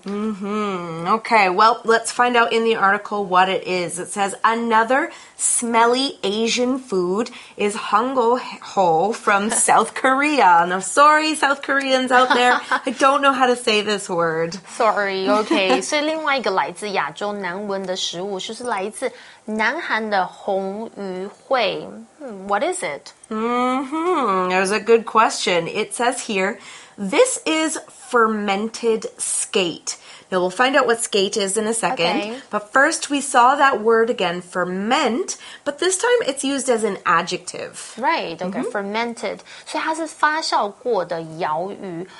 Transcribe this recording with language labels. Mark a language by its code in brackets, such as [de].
[en] Okay, well, let's find out in the article what it is. It says, another smelly Asian food is hangoho from South Korea. Now, sorry, South Koreans out there. I don't know how to say this word. Sorry, okay. [zh] 所以另外一个 来自亚洲南文的食物，就是来自南韩的红鱼烩。 [en] What is it? That's a good question. It says here, this is fermented skate. Now we'll find out what skate is in a second. Okay. But first, we saw that word again, ferment, but this time it's used as an adjective. Right, okay, fermented. [zh] 所以它是发酵过的窑鱼。